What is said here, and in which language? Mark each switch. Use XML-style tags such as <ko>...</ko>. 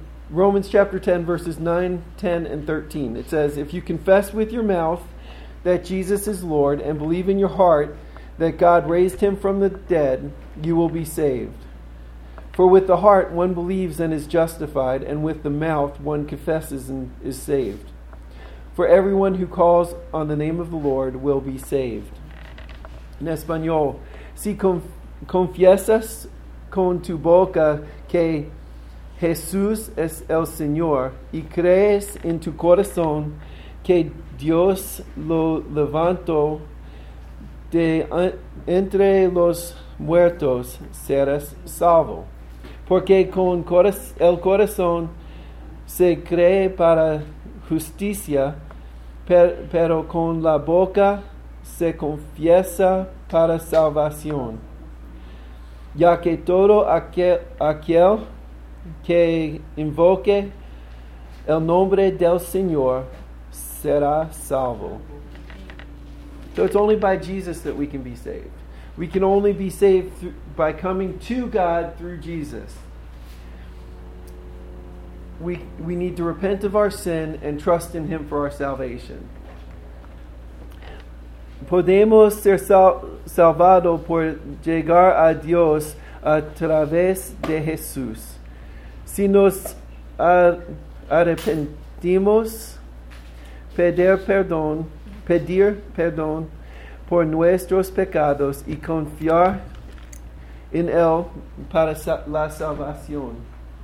<en>Romans chapter 10, verses 9, 10, and 13. It says, "If you confess with your mouth that Jesus is Lord and believe in your heart that God raised him from the dead, you will be saved. For with the heart one believes and is justified, and with the mouth one confesses and is saved. For everyone who calls on the name of the Lord will be saved."</en> <es>En español, si confiesas con tu boca que Jesús es el Señor y crees en tu corazón que Dios lo levantó de entre los muertos, serás salvo. Porque con el corazón se cree para justicia, pero con la boca se confiesa para salvación. Ya que todo aquel que invoque el nombre del Señor será salvo.</es> <en>So it's only by Jesus that we can be saved. We can only be saved by coming to God through Jesus. We need to repent of our sin and trust in him for our salvation.</en> <es>Podemos ser salvado por llegar a Dios a través de Jesús. Si nos arrepentimos, pedir perdón por nuestros pecados y confiar en él para la salvación.</es>